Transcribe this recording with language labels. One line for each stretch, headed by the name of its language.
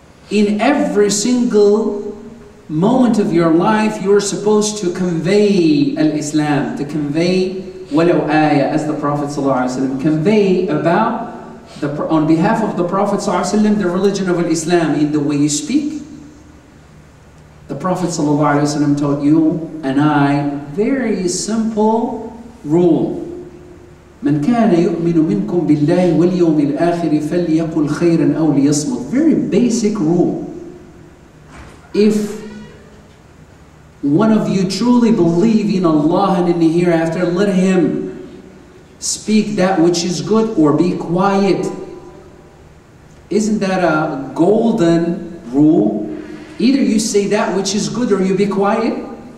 English: In every single moment of your life, you're supposed to convey Al-Islam, to convey walaw ayah, as the Prophet ﷺ, convey about, on behalf of the Prophet ﷺ, the religion of Al-Islam in the way you speak. The Prophet ﷺ taught you and I very simple rule.
Arabic: مَنْ كَانَ يُؤْمِنُ مِنْكُمْ بِاللَّهِ وَالْيَوْمِ الْآخِرِ فَلْيَقُلْ خَيْرًا أَوْ لِيَصْمُتْ
English: Very basic rule. If one of you truly believe in Allah and in the hereafter, let him speak that which is good or be quiet. Isn't that a golden rule? Either you say that which is good or you be quiet.